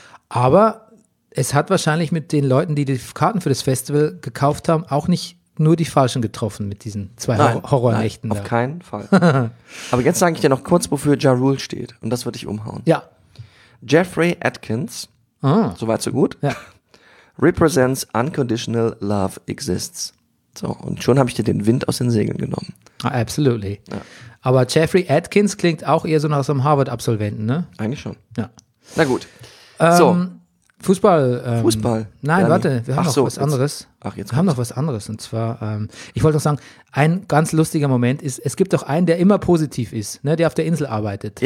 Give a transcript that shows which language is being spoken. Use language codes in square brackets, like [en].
[de] Aber es hat wahrscheinlich mit den Leuten, die Karten für das Festival gekauft haben, auch nicht nur die Falschen getroffen mit diesen zwei Horrornächten. Nein, auf keinen Fall. Aber jetzt sage ich dir noch kurz, wofür Ja Rule steht. Und das würde ich umhauen. Ja. Jeffrey Atkins, soweit so gut, ja. [en] Represents unconditional love exists. [de] So, und schon habe ich dir den Wind aus den Segeln genommen. [en] Absolutely. [de] Ja. Aber Jeffrey Atkins klingt auch eher so nach so einem Harvard-Absolventen, ne? Eigentlich schon. Ja. Na gut. So. Fußball. Fußball. Nein, warte, wir haben noch was anderes. Jetzt wir haben noch was anderes. Und zwar, ich wollte noch sagen, ein ganz lustiger Moment ist, es gibt doch einen, der immer positiv ist, ne, der auf der Insel arbeitet.